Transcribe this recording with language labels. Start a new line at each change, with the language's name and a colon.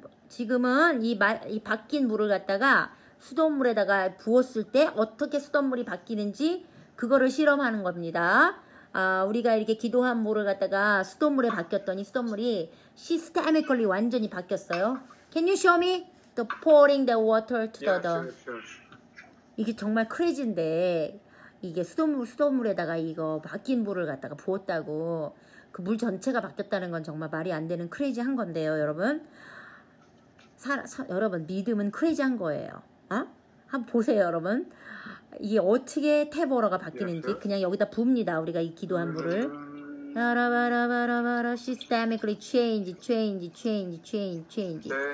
Korean: 지금은 이 바뀐 물을 갖다가 수돗물에다가 부었을 때 어떻게 수돗물이 바뀌는지 그거를 실험하는 겁니다. 우리가 이렇게 기도한 물을 갖다가 수돗물에 바뀌었더니 수돗물이 시스테미컬리 완전히 바뀌었어요.
English: Can you show me the pouring the water to Yeah,
Korean: the 이게 정말 크레이지인데, 이게 수돗물에다가 이거 바뀐 물을 갖다가 부었다고, 그물 전체가 바뀌었다는 건 정말 말이 안 되는 크레이지한 건데요, 여러분. 여러분, 믿음은 크레이지한 거예요. 어? 한번 보세요, 여러분. 이게 어떻게 탭워러가 바뀌는지, 그냥 여기다 붑니다, 우리가 이 기도한 물을.
English: 라라바라바라바라 systemically change, change, change, change, change.